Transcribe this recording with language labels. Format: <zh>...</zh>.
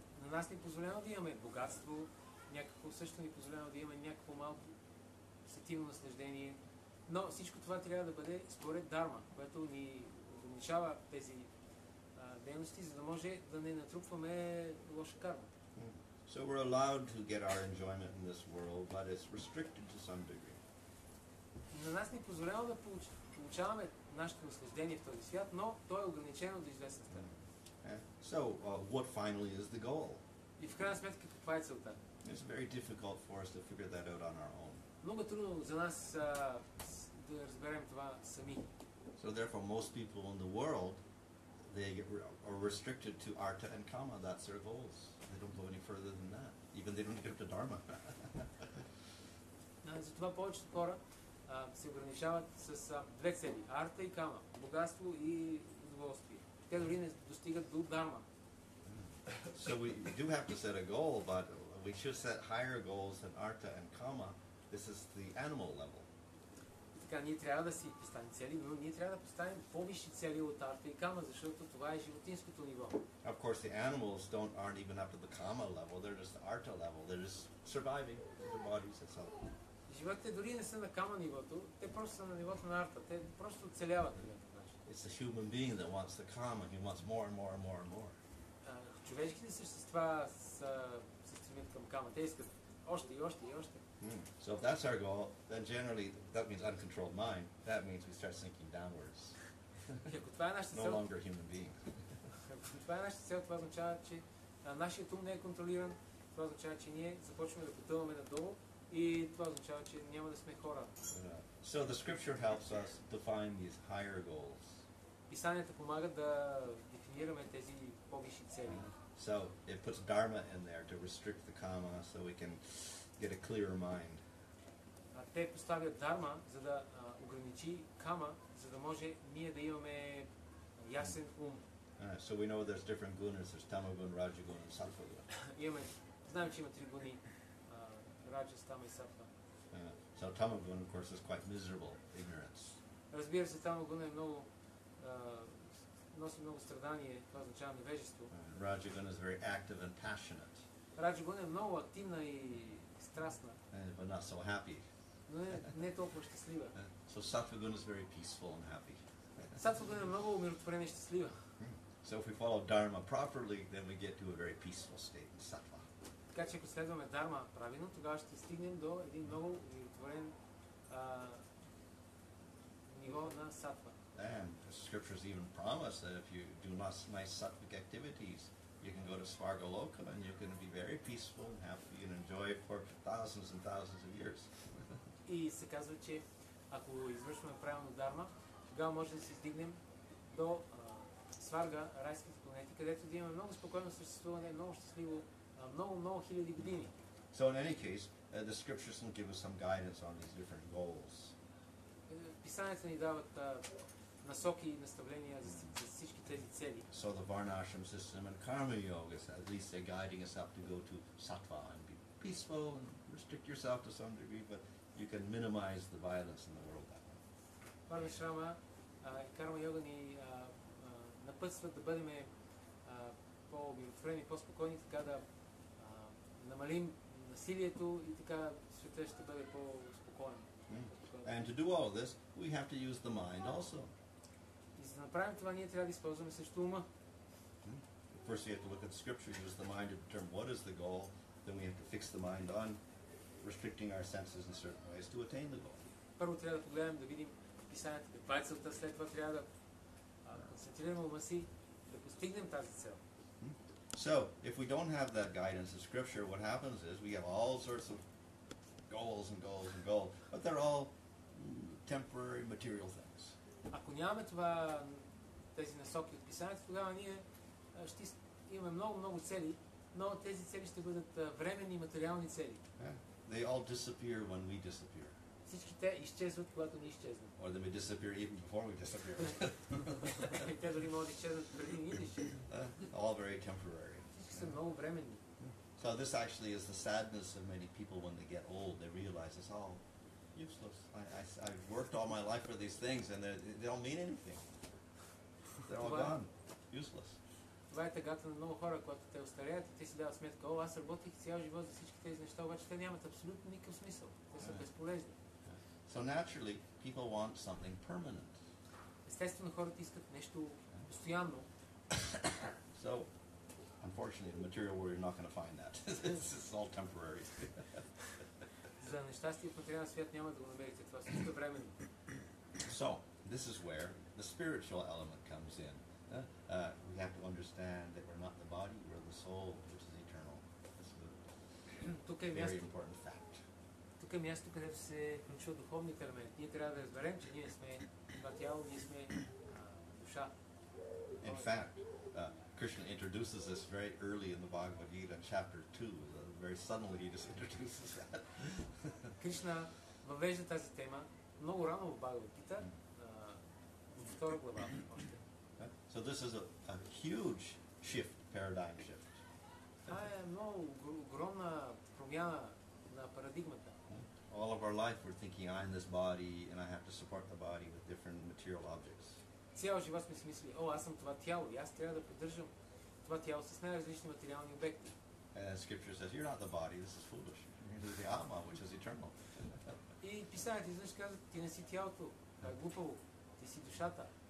<bg>На нас ни позволено да имаме богатство, някакво също ни позволено да имаме някакво малко сетивно наслеждение, но всичко това трябва да бъде според дарма, което ни ограничава тези дейности, за да може да не натрупваме лоша карма.</bg> <en>So we're allowed to get our enjoyment in this world, but it's restricted to some degree.</en> <bg>На нас ни позволено да получаваме нашето наслеждение в този свят, но то е ограничено до известна степен.</bg> <en>So, what finally is the goal?</en> <bg>И в крайна сметка, каква е целта?</bg> <en>It's very difficult for us to figure that out on our own.</en> <bg>Много трудно за нас да разберем това сами.</bg> <en>So therefore, most people in the world, they are restricted to artha and kama. That's their goals. They don't go any further than that. Even they don't get up to dharma.</en> <bg>Затова повечето хора се ограничават с две цели. Артха и кама. Богатство и удоволствие. Те дори не достигат до дарма.</bg> <en>So we do have to set a goal, but we should set higher goals than artha and kama. This is the animal level.</en> <bg>Така, ние трябва да си поставим цели, но ние трябва да поставим по-висши цели от артха и кама, защото това е животинското ниво.</bg> <en>Of course, the animals aren't even up to the kama level, they're just the artha level. They're just surviving their bodies itself.</en> <bg>Животите дори не са на кама нивото, те просто са на нивото на артха. Те просто оцеляват.</bg> <en>It's the human being that wants the karma. He wants more and more and more and more.</en> <bg>Човешките същества се стремят към кама. Те искат още и още и още.</bg> <en>So if that's our goal, then generally that means uncontrolled mind. That means we start sinking downwards. No longer human being.</en> <bg>Ако това е нашата цел, това означава, че нашият ум не е контролиран. Това означава, че ние започваме да потъваме надолу. И това означава, че няма да сме хора.</bg> <en>So the scripture helps us define these higher goals.</en> <bg>Писанията помага да дефинираме тези по-висши цели.</bg> <en>So it puts dharma in there to restrict the kama so we can get a clearer mind.</en> <bg>Те поставят дарма, за да ограничи кама, за да може ние да имаме ясен ум.</bg> <en>So we know there's different gunas, there's tamagun, rajagun and sattvaguna.</en> <bg>Знаем, че има три гуни. Раджа, стама и сатва.</bg> <en>So tamagun, of course, is quite miserable ignorance.</en> <bg>Разбира се, тамагун е много носи много страдание, това означава невежество.</bg> <en>Rajagun is very active and passionate.</en> <bg>Rajagun е много активна и страстна.</bg> <en>But not so happy.</en> <bg>Но не толкова щастлива.</bg> <en>So sattvagun is very peaceful and happy.</en> <bg>Сатвагун е много умиротворена и щастлива.</bg> <en>So if we follow dharma properly, then we get to a very peaceful state in sattva.</en> <bg>Така че ако следваме дарма правилно, тогава ще стигнем до един много умиротворен ниво на сатва.</bg> <en>And the scriptures even promise that if you do nice sattvic activities, you can go to Svargaloka and you can be very peaceful and happy and enjoy it for thousands and thousands of years.</en> <bg>И се казва, че ако извършваме правилно дарма, тогава можем да се издигнем до Сварга, райските планети, където да имаме много спокойно съществуване, много щастливо, много хиляди години.</bg> <en>So in any case, the scriptures can give us some guidance on these different goals.</en> <bg>Писанията ни дават насоки и наставления за всички тези цели.</bg> <en>So the Varnashram system and Karma Yoga, at least they're guiding us up to go to sattva and be peaceful and restrict yourself to some degree, but you can minimize the violence in the world that way.</en> <bg>Varnashrama и Karma Yoga ни напътстват да бъдем по-умиротворени, по-спокойни, така да намалим насилието и така светът ще бъде по-спокоен.</bg> <en>And to do all this, we have to use the mind also.</en> <bg>За да направим това, ние трябва да използваме също ума.</bg> <en>First, we have to look at the scripture, use the mind to determine what is the goal. Then we have to fix the mind on restricting our senses in certain ways to attain the goal.</en> <bg>Първо трябва да погледнем, да видим писанията, каква е целта, след това трябва да концентрираме ума си да постигнем тази цел.</bg> <en>So, if we don't have that guidance in scripture, what happens is we have all sorts of goals and goals and goals, but they're all temporary material things.</en> <bg>Ако нямаме това тези насоки от писанието, тогава ние ще имаме много много цели, но тези цели ще бъдат временни материални цели.</bg> <en>They all disappear when we disappear.</en> <bg>Всички те изчезват, когато ние изчезнем.</bg> <en>Or they may disappear even before we disappear.</en> <bg>Те дори могат да изчезнат преди ние да изчезнем.</bg> <en>All very temporary.</en> <bg>Всички са много временни.</bg> <en>So this actually is the sadness of many people when they get old. They realize it's all useless. I've worked all my life for these things and they don't mean anything. They're all gone. Useless.</en> <bg>Това е тъгата на много хора, когато те остареят и те си дават сметка, о, аз работих цял живот за всички тези неща, обаче те нямат абсолютно никакъв смисъл. Те са безполезни.</bg> <en>So naturally, people want something permanent.</en> <bg>Естествено, хората искат нещо постоянно.</bg> <en>So, unfortunately, the material world, you're not going to find that. It's all temporary.</en> <bg>За нещастие, в материалния свят няма да го намерите. Това е също временно.</bg> <en>So, this is where the spiritual element comes in. We have to understand that we're not the body, we're the soul, which is eternal. It's a very important fact.</en> <bg>Тук е място, където се включва духовният елемент. Ние трябва да разберем, че ние сме това тяло, ние сме душа.</bg> <en>In fact, Krishna introduces this very early in the Bhagavad Gita, chapter 2. Very suddenly he just introduces that.</en> <bg>Krishna въвежда тази тема много рано в Bhagavad Gita, в втора глава още.</bg> <en>So this is a huge shift, paradigm shift.</en> <bg>Това е много огромна промяна на парадигмата.</bg> <en>All of our life we're thinking I'm this body and I have to support the body with different material objects.</en> <bg>Цял живот сме си мислили, о, аз съм това тяло и аз трябва да поддържам това тяло с най-различни материални обекти.</bg> <en>And scripture says, you're not the body, this is foolish. You're the Atma, which is eternal.</en> <bg>И писанието изведнъж казва, ти не си тялото, това е глупаво, ти си душата.</bg>